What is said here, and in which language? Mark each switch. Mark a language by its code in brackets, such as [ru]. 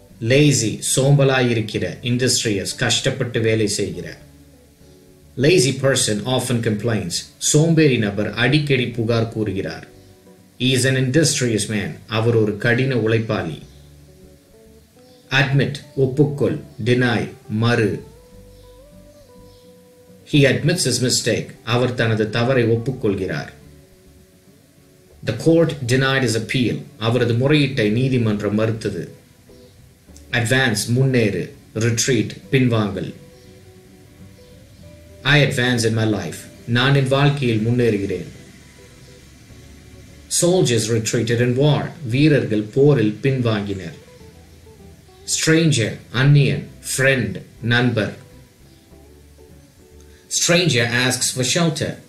[ta] Lazy சோம்பலாயிருக்கிற, industrious கஷ்டப்பட்டு வேலை செய்கிற. [en] Lazy person often complains. [ta] சோம்பேறி நபர் அடிக்கடி புகார் கூறுகிறார். [en] He is an industrious man. [ta] அவர் ஒரு கடின உழைப்பாளி. Admit ஒப்புக்கொள், deny மறு. [en] He admits his mistake. [ta] அவர் தனது தவறை ஒப்புக்கொள்கிறார். [en] The court denied his appeal. [ta] அவரது முறையீட்டை நீதிமன்றம் மறுத்தது. Advance முன்னேறு, retreat பின்வாங்கல். [en] I advance in my life. [ta] நான் என் வாழ்க்கையில் முன்னேறுகிறேன். [en] Soldiers retreated in war. [ta] வீரர்கள் போரில் பின்வாங்கினர். Stranger அந்நியன், friend நண்பர். [en] Stranger asks for shelter.